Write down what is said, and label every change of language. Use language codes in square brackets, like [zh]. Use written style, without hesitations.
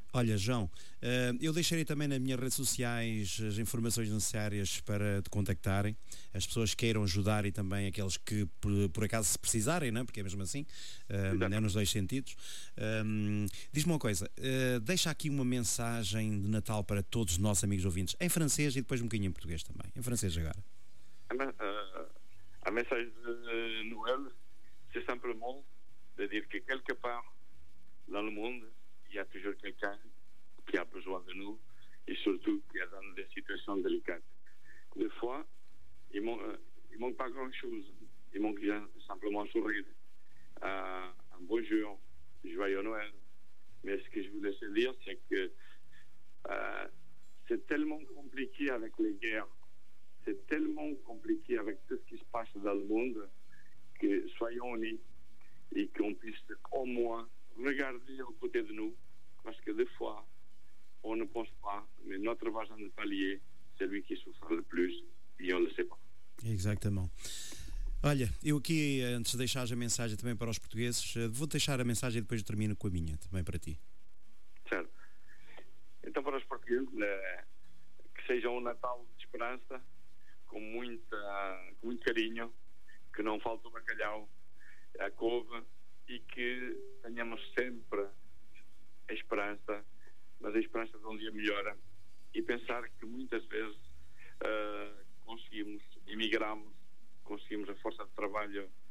[pt] Olha, João, eu deixarei também nas minhas redes sociais as informações necessárias para te contactarem, as pessoas queiram ajudar e também aqueles que por acaso se precisarem, não é? Porque é mesmo assim, não é nos dois sentidos. Diz-me uma coisa, deixa aqui uma mensagem de Natal para todos os nossos amigos ouvintes, em francês e depois um bocadinho em português também. Em francês agora. A mensagem de [fr] Noel, c'est simplement de dire que quelque part dans le monde il y a toujours quelqu'un qui a besoin de nous et surtout qui est dans des situations délicates. Des fois, il manque pas grand-chose. Il manque simplement un sourire, un bonjour, joyeux Noël. Mais ce que je voulais te dire, c'est que c'est tellement compliqué avec les guerres, c'est tellement compliqué avec tout ce qui se passe dans le monde que soyons unis et qu'on puisse au moins regarder aux côtés de nous. Parce que des fois, on ne pense pas, mais notre voisin de palier, c'est lui qui souffre le plus, et on ne le sait pas. Exactement. [pt] Olha, eu aqui, antes de deixar a mensagem também para os portugueses, vou deixar a mensagem e depois termino com a minha também para ti. Certo. Então, para os portugueses, que seja um Natal de esperança, com muito carinho, que não falte o bacalhau, a couve, e que tenhamos sempre a esperança, mas a esperança de um dia melhora, e pensar que muitas vezes conseguimos, emigramos, conseguimos a força de trabalho